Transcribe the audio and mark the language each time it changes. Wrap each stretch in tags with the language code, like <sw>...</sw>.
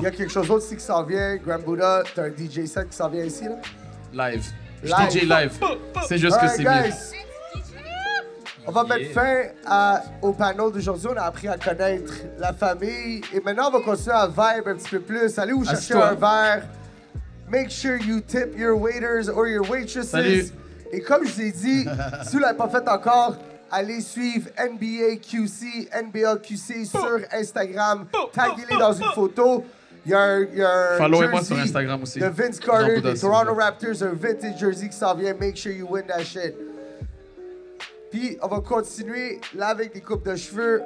<fr>Il y a quelque chose d'autre aussi qui s'en vient. Grand Buddha, t'as un DJ set qui s'en vient ici là. Live. DJ live. C'est juste</fr> <en>right,</en> <fr>que c'est mieux. On va mettre fin au panel d'aujourd'hui. On a appris à connaître la famille. Et maintenant, on va continuer à vibe un petit peu plus. Allez vous chercher un verre.</fr> <en>Make sure you tip your waiters or your waitresses.</en> <fr>Salut. Et comme je vous ai dit, si vous ne l'avez pas fait encore, allez suivre NBA QC, NBL QC sur Instagram. Taguez-les dans une photo. Il y a un jersey moi sur Instagram aussi. De Vince Carter, des Toronto Raptors, un vintage jersey qui s'en vient.</fr> <en>Make sure you win that shit.</en> <fr>Puis, on va continuer là avec des coupes de cheveux.</fr>